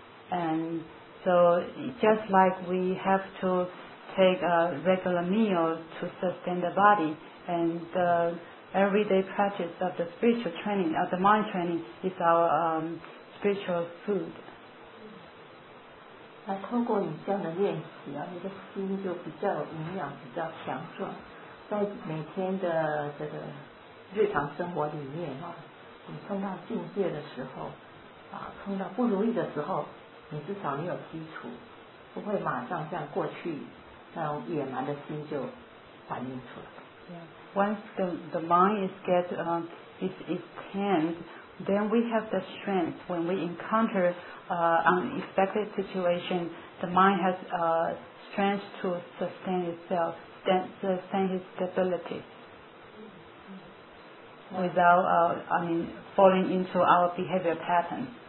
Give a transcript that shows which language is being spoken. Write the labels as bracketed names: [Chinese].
[English] And so just like we have to take a regular meal to sustain the body, and the everyday practice of the spiritual training, of the mind training, is our spiritual food. [Chinese] 那通过你这样的练习啊，你的心就比较有营养，比较强壮，在每天的这个日常生活里面啊，你碰到境界的时候啊，碰到不如意的时候，你至少你有基础，不会马上像过去那种野蛮的心就反映出来。 [English] Yeah. Once the mind is tamed, then we have the strength. When we encounter unexpected situation, the mind has strength to sustain itself, sustain its stability without falling into our behavior pattern.